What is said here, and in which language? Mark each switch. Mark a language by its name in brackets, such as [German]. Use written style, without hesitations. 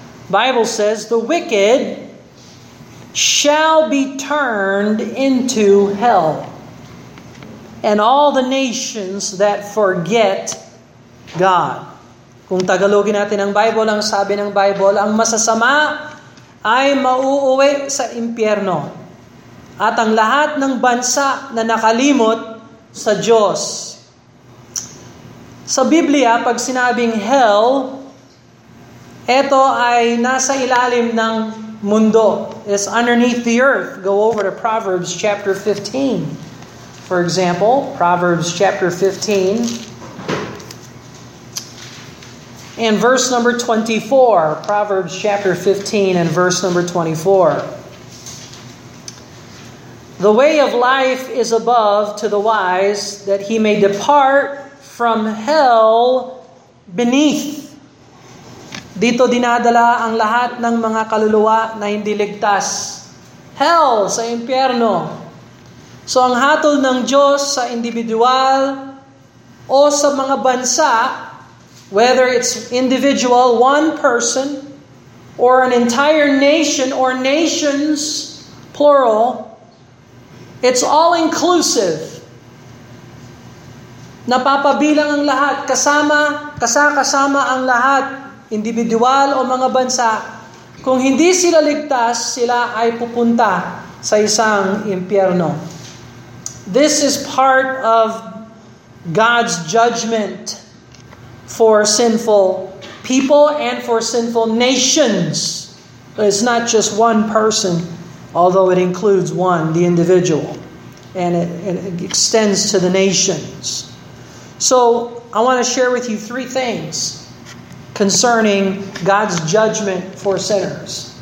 [English] Bible says, "The wicked shall be turned into hell, and all the nations that forget God." [Filipino] Kung Tagalogin natin ang Bible, ang sabi ng Bible, ang masasama ay mauuwi sa impyerno. At ang lahat ng bansa na nakalimot sa Diyos. Sa Biblia, pag sinabing hell, ito ay nasa ilalim ng mundo. [English] It's underneath the earth. Go over to Proverbs chapter 15. For example, Proverbs chapter 15. And verse number 24. Proverbs chapter 15 and verse number 24. "The way of life is above to the wise, that he may depart from hell beneath." [Filipino] Dito dinadala ang lahat ng mga kaluluwa na hindi ligtas. [English] Hell, [Filipino] sa impyerno. So ang hatol ng Diyos sa individual o sa mga bansa, [English] whether it's individual, one person, or an entire nation or nations, plural, it's all-inclusive. [Filipino] Napapabilang ang lahat, kasama ang lahat, individual o mga bansa, kung hindi sila ligtas, sila ay pupunta sa isang impyerno. [English] This is part of God's judgment for sinful people and for sinful nations. It's not just one person, although it includes one, the individual. And it extends to the nations. So I want to share with you three things concerning God's judgment for sinners.